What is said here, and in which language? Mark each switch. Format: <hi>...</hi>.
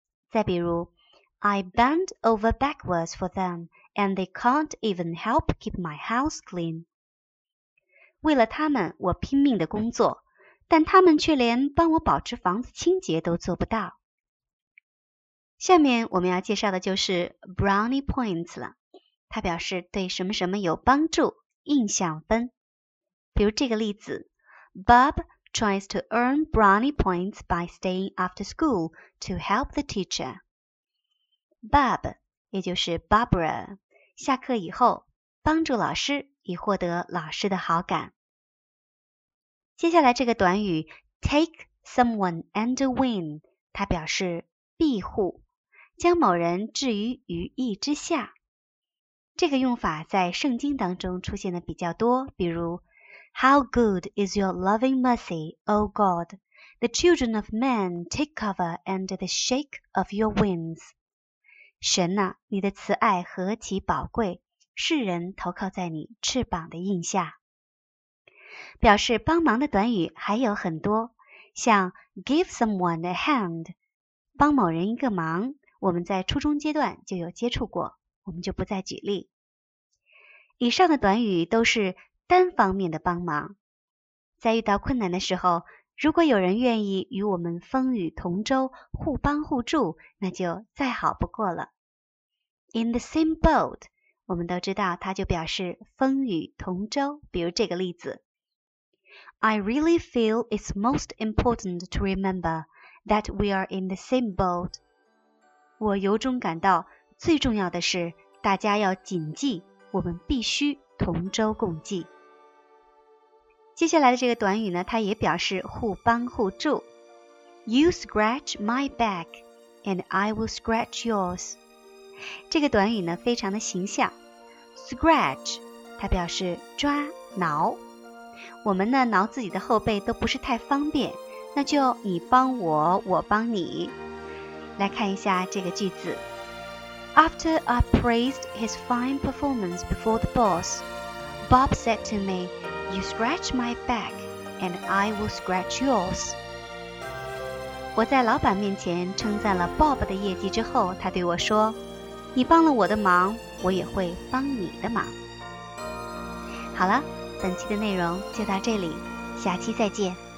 <zh>再比如</zh> <en>I bend over backwards for them, and they can't even help keep my house clean.</en> <zh>为了他们，我拼命的工作，但他们却连帮我保持房子清洁都做不到。下面我们要介绍的就是 Brownie Points 了，它表示对什么什么有帮助，印象分。比如这个例子，</zh> <en>Bob tries to earn Brownie Points by staying after school to help the teacher.</en> <zh>Bob， 也就是 Barbara， 下课以后帮助老师以获得老师的好感。接下来这个短语</zh> <en>take someone under wing，</en> <zh>它表示庇护，将某人置于羽翼之下。这个用法在圣经当中出现的比较多，比如</zh> <en>How good is your loving mercy, O God? The children of men take cover under the shake of your wings.</en> <zh>神啊，你的慈爱何其宝贵，世人投靠在你翅膀的荫下。表示帮忙的短语还有很多，像</zh> <en>give someone a hand，</en> <zh>帮某人一个忙，我们在初中阶段就有接触过，我们就不再举例。以上的短语都是单方面的帮忙。在遇到困难的时候，如果有人愿意与我们风雨同舟，互帮互助，那就再好不过了。</zh> <en>In the same boat，</en> <zh>我们都知道它就表示风雨同舟，比如这个例子。</zh> <en>I really feel it's most important to remember that we are in the same boat。</en> <zh>我由衷感到最重要的是大家要谨记，我们必须同舟共济。接下来的这个短语呢，它也表示互帮互助。</zh> <en>You scratch my back, and I will scratch yours.</en> <zh>这个短语呢，非常的形象。 Scratch， 它表示抓、挠。我们呢，挠自己的后背都不是太方便，那就你帮我，我帮你。来看一下这个句子。</zh> <en>After I praised his fine performance before the boss, Bob said to me,You scratch my back, and I will scratch yours.</en> <zh>我在老板面前称赞了 Bob 的业绩之后，他对我说，你帮了我的忙，我也会帮你的忙。好了，本期的内容就到这里，下期再见。</zh>